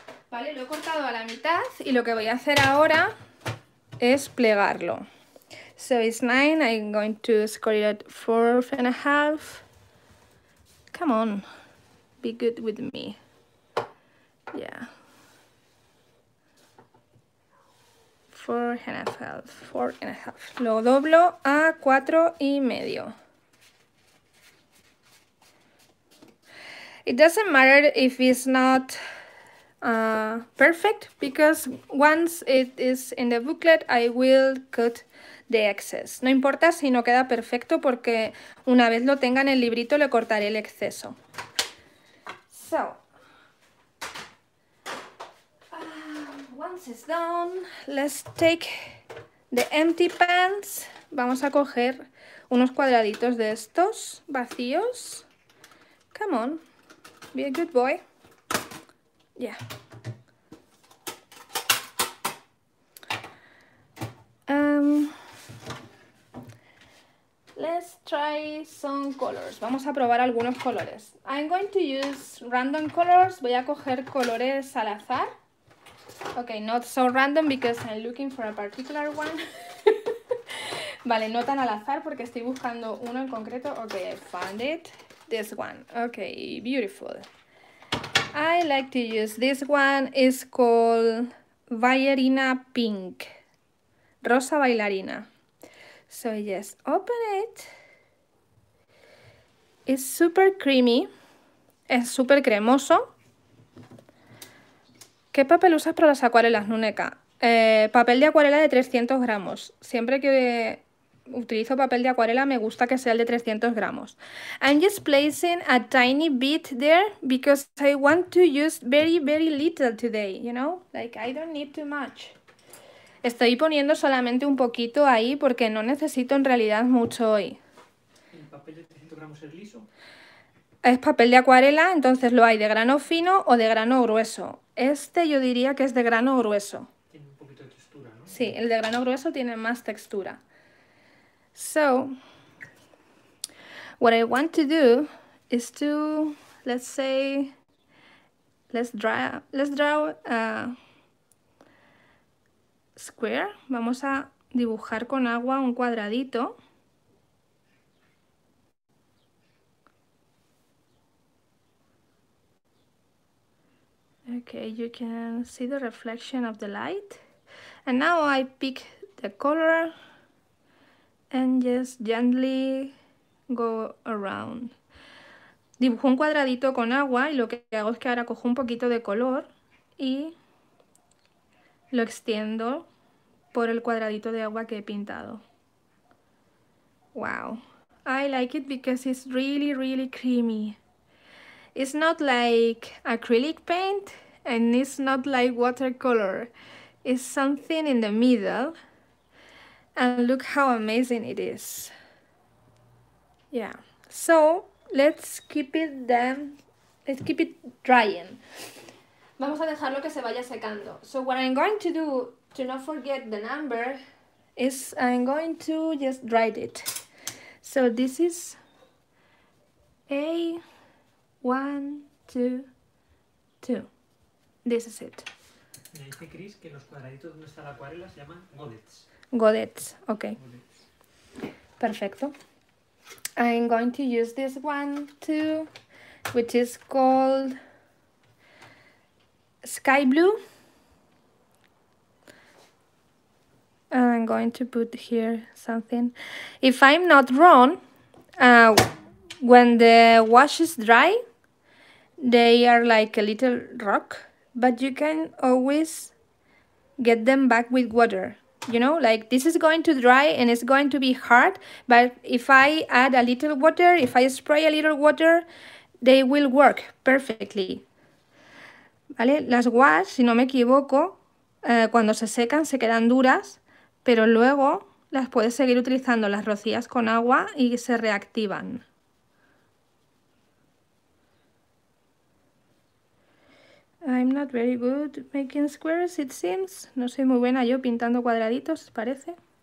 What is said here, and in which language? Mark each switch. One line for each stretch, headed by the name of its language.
Spanish: Vale, lo he cortado a la mitad y lo que voy a hacer ahora es plegarlo.
English: So it's 9, I'm going to score it at 4.5. Come on, be good with me. Yeah.
Spanish: 4.5. Lo doblo a 4.5.
English: It doesn't matter if it's not perfect, because once it is in the booklet, I will cut the excess.
Spanish: No importa si no queda perfecto, porque una vez lo tenga en el librito, le cortaré el exceso.
English: So. Once it's done, let's take the empty pans.
Spanish: Vamos a coger unos cuadraditos de estos vacíos.
English: Come on, be a good boy. Yeah. Let's try some colors.
Spanish: Vamos a probar algunos colores.
English: I'm going to use random colors.
Spanish: Voy a coger colores al azar.
English: Okay, not so random because I'm looking for a particular one.
Spanish: Vale, no tan al azar porque estoy buscando uno en concreto.
English: Okay, I found it. This one. Okay, beautiful. I like to use this one. It's called Bailarina Pink. Rosa Bailarina. So yes, open it. It's super creamy.
Spanish: Es súper cremoso. ¿Qué papel usas para las acuarelas, Nuneca? Papel de acuarela de 300 gramos. Siempre que utilizo papel de acuarela, me gusta que sea el de 300 gramos.
English: I'm just placing a tiny bit there because I want to use very, very little today, you know? Like, I don't need too much.
Spanish: Estoy poniendo solamente un poquito ahí porque no necesito en realidad mucho hoy. El papel de 300 gramos es liso. Es papel de acuarela, entonces lo hay de grano fino o de grano grueso. Este yo diría que es de grano grueso. Tiene un poquito de textura, ¿no? Sí, el de grano grueso tiene más textura.
English: So, what I want to do is to, let's say, let's draw a square.
Spanish: Vamos a dibujar con agua un cuadradito.
English: Okay, you can see the reflection of the light. And now I pick the color and just gently go around.
Spanish: Dibujo un cuadradito con agua y lo que hago es que ahora cojo un poquito de color y lo extiendo por el cuadradito de agua que he pintado.
English: Wow. I like it because it's really, really creamy. It's not like acrylic paint. And it's not like watercolor. It's something in the middle. And look how amazing it is. Yeah. So, let's keep it drying.
Spanish: Vamos a dejarlo que se vaya secando.
English: So what I'm going to do to not forget the number is I'm going to just dry it. So this is A1, 2, 2. This is it.
Spanish: Me dice Chris que los cuadraditos donde está la acuarela se llaman godets. Godets, okay. Godets. Perfecto.
English: I'm going to use this one too, which is called sky blue. I'm going to put here something. If I'm not wrong, when the wash is dry, they are like a little rock. But you can always get them back with water. You know, like this is going to dry and it's going to be hard. But if I add a little water, if I spray a little water, they will work perfectly.
Spanish: ¿Vale? Las gouaches, si no me equivoco, cuando se secan se quedan duras, pero luego las puedes seguir utilizando, las rocías con agua y se reactivan.
English: I'm not very good making squares, it seems.
Spanish: No soy muy buena yo pintando cuadraditos, parece.